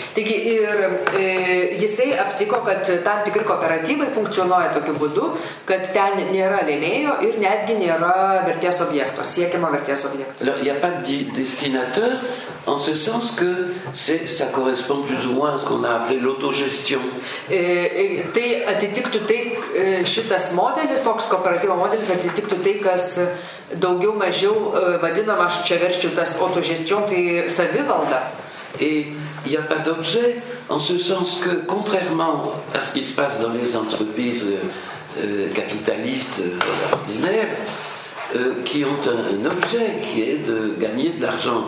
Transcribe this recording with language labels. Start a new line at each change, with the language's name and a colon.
Lithuanian: Taigi, ir jisai aptiko, kad tam tikri kooperatyvai funkcionuoja tokiu būdu, kad ten nėra lėmėjo ir netgi nėra vertės objekto, siekiamo vertės objekto.
French: Il n'y a pas de destinateur en ce sens que ça correspond plus ou moins à ce qu'on a appelé l'autogestion.
Lithuanian: Tai atitiktų tai, šitas modelis, toks kooperatyvo modelis atitiktų tai, kas daugiau mažiau vadinama, aš čia verčiu tas autogestion, tai savivalda.
French: Et il n'y a pas d'objet en ce sens que, contrairement à ce qui se passe dans les entreprises capitalistes ordinaires, qui ont un objet qui est de gagner de l'argent.